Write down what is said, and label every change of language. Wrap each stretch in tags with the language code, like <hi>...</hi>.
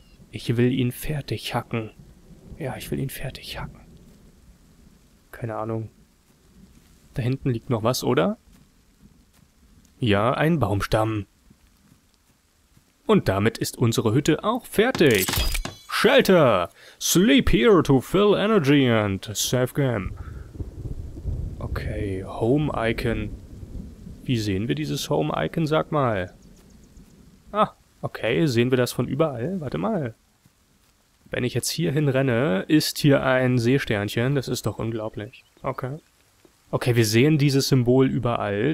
<de>Ich will ihn fertig hacken. Ja, ich will ihn fertig hacken. Keine Ahnung. Da hinten liegt noch was, oder? Ja, ein Baumstamm. Und damit ist unsere Hütte auch fertig.</de> <en>Shelter! Sleep here to fill energy and save game.</en> <de>Okay, Home-Icon. Wie sehen wir dieses Home-Icon, sag mal? Ah, okay, sehen wir das von überall? Warte mal. Wenn ich jetzt hierhin renne, ist hier ein Seesternchen. Das ist doch unglaublich. Okay. Okay, wir sehen dieses Symbol überall.</de>